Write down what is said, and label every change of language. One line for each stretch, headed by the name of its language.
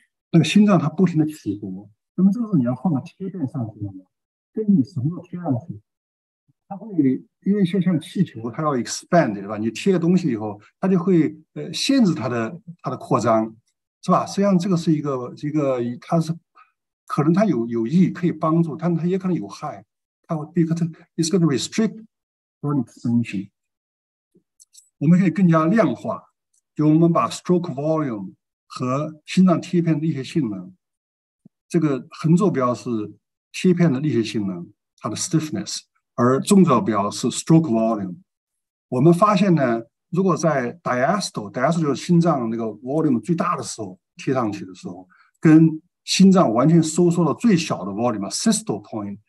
Chinese: 那个心脏它不停的起搏，那么这个时候你要放个贴片上去，跟你什么都贴上去，它会因为像气球它要 expand， 对吧？你贴个东西以后，它就会限制它的扩张，是吧？实际上这个是一个它是可能它有益可以帮助，但它也可能有害。
English: Because it's going to restrict your expansion.
Chinese: 我们可以更加量化，就我们把 stroke volume 和心脏贴片的力学性能，这个横坐标是贴片的力学性能，它的 stiffness， 而纵坐标是 stroke volume。我们发现呢，如果在 diastole 就是心脏那个 volume 最大的时候贴上去的时候，跟心脏完全收缩了最小的 volume systole point。